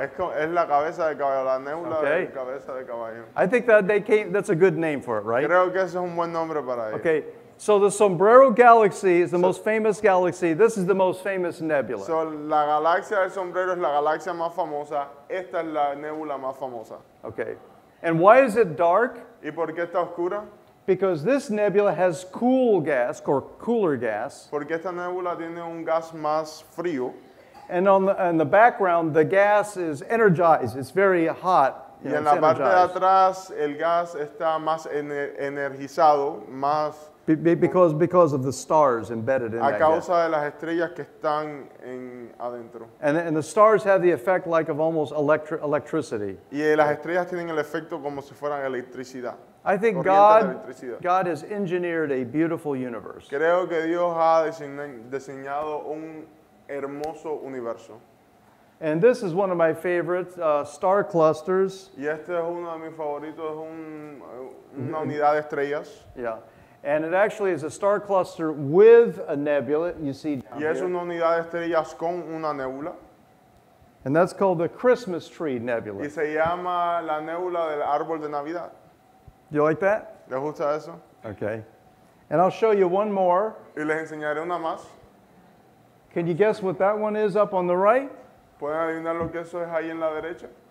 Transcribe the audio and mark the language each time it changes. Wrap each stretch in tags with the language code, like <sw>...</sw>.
<es>Es la cabeza de caballo, la nebula de cabeza de caballo.</es> <en>I think that's a good name for it, right?</en> <es>Creo que es un buen nombre para ello.</es> <en>Okay, so the Sombrero Galaxy is the most famous galaxy. This is the most famous nebula.</en> <es>So la galaxia del sombrero es la galaxia más famosa. Esta es la nebula más famosa.</es> <en>Okay, and why is it dark?</en> <es>¿Y por qué está oscura?</es> <en>Because this nebula has cooler gas.</en> <es>Porque esta nebula tiene un gas más frío.</es> <en>And on the background, the gas is energized. It's very hot.</en> <es>Y en la parte de atrás, el gas está más energizado, más.</es> <en>Because of the stars embedded in that gas.</en> <es>A causa de las estrellas que están en adentro.</es> <en>And the stars have the effect like of almost electricity.</en> <es>Y las estrellas tienen el efecto como si fueran electricidad.</es> <en>I think God has engineered a beautiful universe.</en> <es>Creo que Dios ha diseñado un hermoso universo.</es> <en>And this is one of my favorite star clusters.</en> <es>Y este es uno de mis favoritos, es una unidad de estrellas.</es> <en>Yeah. And it actually is a star cluster with a nebula, you see down</en> <es>here. Y es una unidad de estrellas con una nebula.</es> <en>And that's called the Christmas tree nebula.</en> <es>Y se llama la nebula del árbol de Navidad.</es> <en>Do you like that?</en> <es>¿Le gusta eso?</es> <en>Okay. And I'll show you one more.</en> <es>Y les enseñaré una más.</es> <en>Can you guess what that one is up on the right?</en> <es>¿Pueden adivinar lo que eso es ahí en la derecha?</es>